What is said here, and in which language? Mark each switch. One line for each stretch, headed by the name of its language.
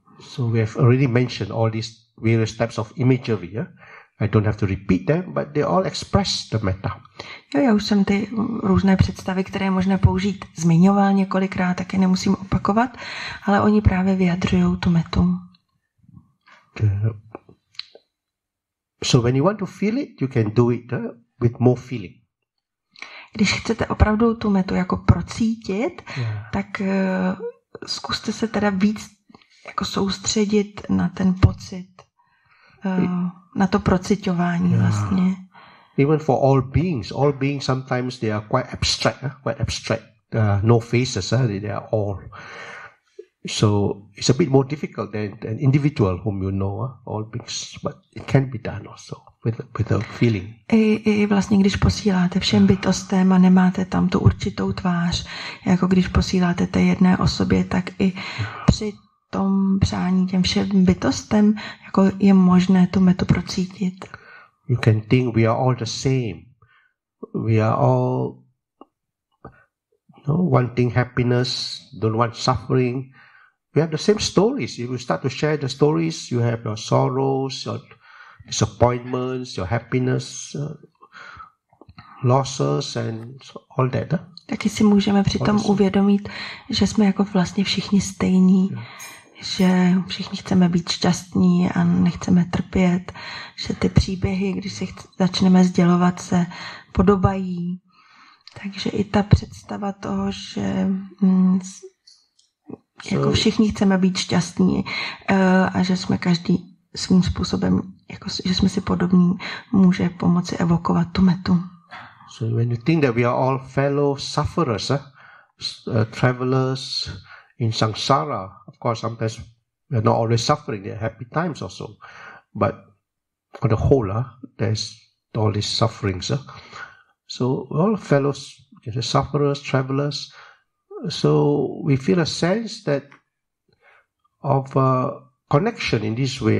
English: So we have already mentioned all these various types of imagery. I don't have to repeat them, but they all express the meta.
Czech: Jo, já už jsem ty různé představy, které možná použít, zmiňoval několikrát, taky nemusím opakovat, ale oni právě vyjadřují tu metu.
English: So when you want to feel it, you can do it with more feeling.
Czech: Když chcete opravdu tu metu jako procítit, tak zkuste se teda víc jako soustředit na ten pocit, na to procitování vlastně.
English: Even for all beings sometimes they are quite abstract. No faces, they are all. So it's a bit more difficult than an individual whom you know, all beings, but it can be done also with a feeling.
Czech: I vlastně, když posíláte všem bytostem a nemáte tam tu určitou tvář, jako když posíláte té jedné osobě, tak i při tom přání těm všem bytostem jako je možné tu metu procítit.
English: You can think we are all the same. We are all wanting happiness, don't want suffering. We have the same stories. If you start to share the stories, you have your sorrows, your disappointments, your happiness, losses and all that.
Czech: Taky si můžeme přitom uvědomit, že jsme jako vlastně všichni stejní, že všichni chceme být šťastní a nechceme trpět, že ty příběhy, když se začneme sdělovat, se podobají. Takže i ta představa toho, že jako všichni chceme být šťastní a že jsme každý svým způsobem, jako, že jsme si podobní, může pomoci evokovat tu metu.
English: So when you think that we are all fellow sufferers, travelers in samsara, of course sometimes we are not always suffering, there are happy times also, but on the whole, there's all these sufferings. So all fellows, sufferers, travelers, so we feel a sense that of connection in this way.